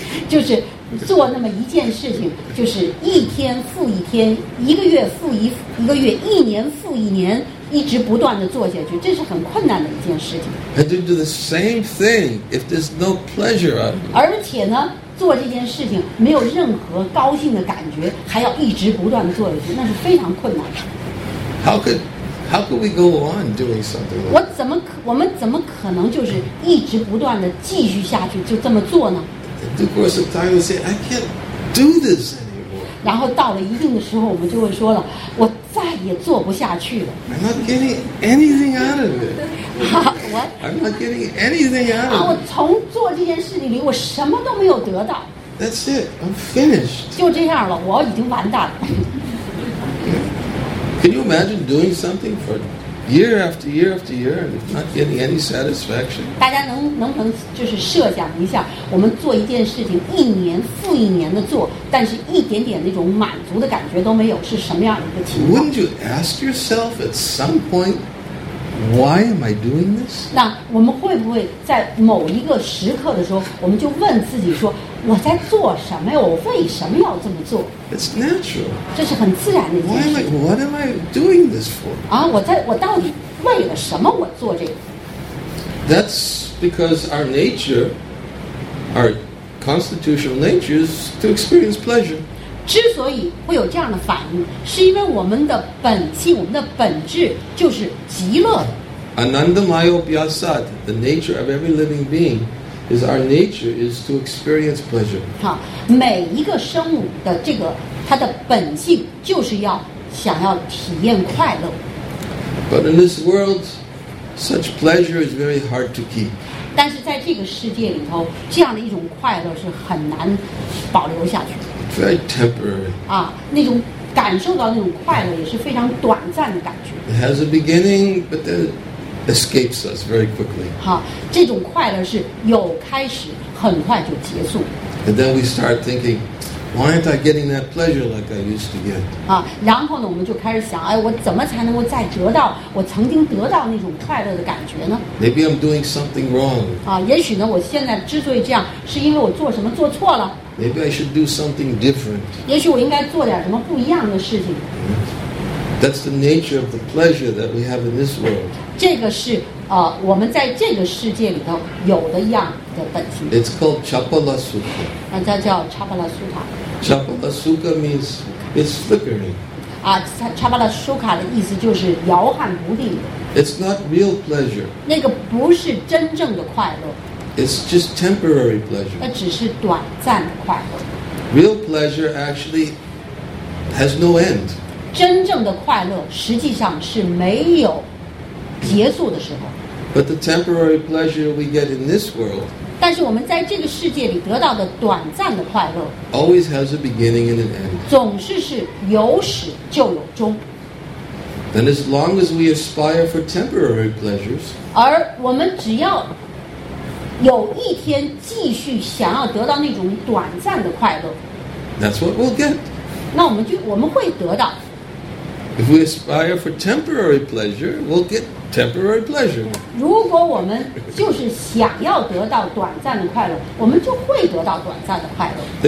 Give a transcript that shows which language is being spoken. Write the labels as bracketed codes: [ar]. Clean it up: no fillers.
[zh] 就是。做那么一件事情，就是一天复一天，一个月复一个月，一年复一年，一直不断的做下去，这是很困难的一件事情。 [en] And to do the same thing if there's no pleasure out of it. [zh] 而且呢，做这件事情没有任何高兴的感觉，还要一直不断的做下去，那是非常困难的。 [en] How could we go on doing something like that? [zh] 我们怎么可能就是一直不断的继续下去就这么做呢？ [en] In the course of time, we say, "I can't do this anymore." [zh] 然后到了一定的时候，我们就会说了，我再也做不下去了。 [en] I'm not getting anything out of it. What? I'm not getting anything out of it. [zh] 我从做这件事情里，我什么都没有得到。 [en] That's it. I'm finished. [zh] 就这样了，我已经完蛋了。 [en] Can you imagine doing something for year after year after year, not getting any satisfaction? [zh] 大家能不能就是设想一下，我们做一件事情，一年复一年的做，但是一点点那种满足的感觉都没有，是什么样的一个情况？ [en] Wouldn't you ask yourself at some point, Why am I doing this? [zh] 那我们会不会在某一个时刻的时候，我们就问自己说，我在做什么呀？我为什么要这么做？ [en] It's natural. [zh] 这是很自然的一件事。 [en] Why am I, what am I doing this for? [zh] 啊，我到底为了什么我做这个？ [en] That's because our nature, our constitutional nature is to experience pleasure. [zh] 之所以会有这样的反应，是因为我们的本性，我们的本质就是极乐的。 [en] Anandamaya Upyasad, the nature of every living being is our nature is to experience pleasure. [zh] 好，每一个生物的这个它的本性就是要想要体验快乐。 [en] But in this world, such pleasure is very hard to keep. [zh] 但是在这个世界里头，这样的一种快乐是很难保留下去的。 [en] It's very temporary. [zh] 啊，那种感受到那种快乐也是非常短暂的感觉。 [en] It has a beginning, but then escapes us very quickly. [zh] 好，这种快乐是有开始，很快就结束。 [en] And then we start thinking, why aren't I getting that pleasure like I used to get? [zh] 啊，然后呢，我们就开始想，哎，我怎么才能够再得到我曾经得到那种快乐的感觉呢？ [en] Maybe I'm doing something wrong. [zh] 啊，也许呢，我现在之所以这样，是因为我做什么做错了。 [en] Maybe I should do something different. [zh] 也许我应该做点什么不一样的事情。 [en] That's the nature of the pleasure that we have in this world. [zh] 这个是我们在这个世界里头有的样的本性。 [en] It's called chapalasukha. [zh] 那它叫 chapalasukha. [en] Chapalasukha means it's flickering. [zh] 啊 ，chapalasukha 的意思就是摇撼不定。 [en] It's not real pleasure. [zh] 那个不是真正的快乐。 [en] It's just temporary pleasure. [zh] 那只是短暂的快乐。 [en] Real pleasure actually has no end. [zh] 真正的快乐实际上是没有结束的时候。 [en] But the temporary pleasure we get in this world. [zh] 但是我们在这个世界里得到的短暂的快乐 [en] always has a beginning and an end. [zh] 总是有始就有终。 [en] Then as long as we aspire for temporary pleasures. [zh] 而我们只要有一天继续想要得到那种短暂的快乐 [en] That's what we'll get [zh] 那我们会得到 [en] If we aspire for temporary pleasure we'll get temporary pleasure [zh] 如果我们就是想要得到短暂的快乐我们就会得到短暂的快乐